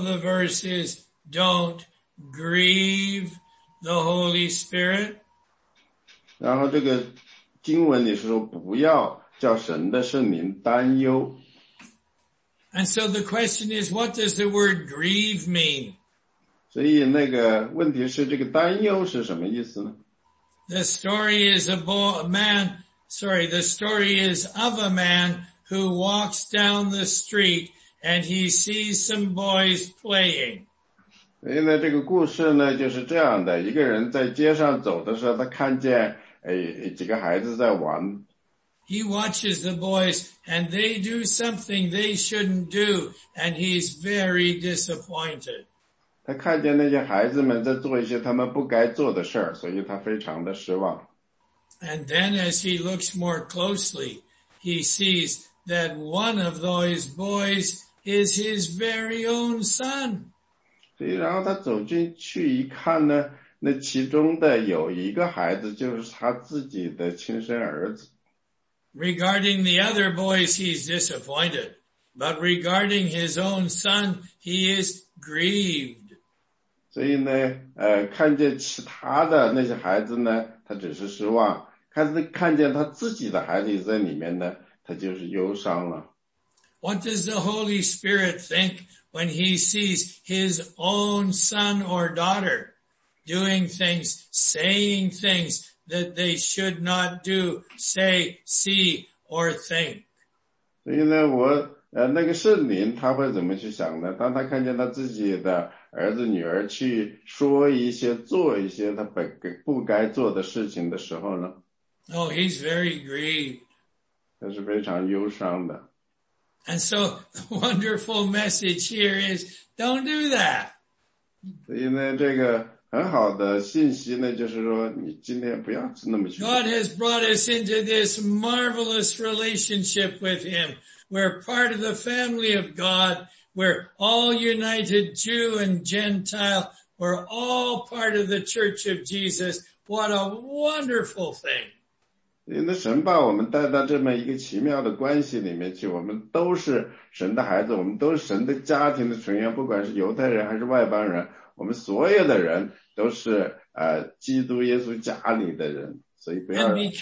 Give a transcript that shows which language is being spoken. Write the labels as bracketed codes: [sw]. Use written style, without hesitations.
[en] the verse is, don't grieve the Holy Spirit. [zh] 然后这个经文里是说不要叫神的圣灵担忧。And [en] so the question is, what does the word grieve mean? [zh] 所以那个问题是这个担忧是什么意思呢? [en] The story is of a man who walks down the street and he sees some boys playing. [zh] 所以呢，这个故事呢就是这样的：一个人在街上走的时候，他看见几个孩子在玩。 [en] He watches the boys, and they do something they shouldn't do, and he's very disappointed. [zh] 他看见那些孩子们在做一些他们不该做的事儿，所以他非常的失望。 [en] And then as he looks more closely, he sees that one of those boys is his very own son. [zh] 所以然后他走进去一看呢，那其中的有一个孩子就是他自己的亲生儿子。 [en] Regarding the other boys, he's disappointed. But regarding his own son, he is grieved. [zh] 所以呢，看见其他的那些孩子呢，他只是失望。看见他自己的孩子在里面呢，他就是忧伤了。 [en] What does the Holy Spirit think when he sees his own son or daughter doing things, saying things, that they should not do, say, see, or think. [zh] 所以呢，我那个圣灵他会怎么去想呢？当他看见他自己的儿子女儿去说一些做一些他不该做的事情的时候呢？ [en] Oh, he's very grieved. [zh] 他是非常忧伤的。 [en] And so the wonderful message here is, don't do that. [zh] 所以呢，这个很好的信息呢，就是说你今天不要那么去。 [en] God has brought us into this marvelous relationship with him. We're part of the family of God. We're all united, Jew and Gentile. We're all part of the church of Jesus. What a wonderful thing. [zh] 那神把我们带到这么一个奇妙的关系里面去，我们都是神的孩子，我们都是神的家庭的成员，不管是犹太人还是外邦人。我们所有的人都是基督耶稣家里的人，所以不要。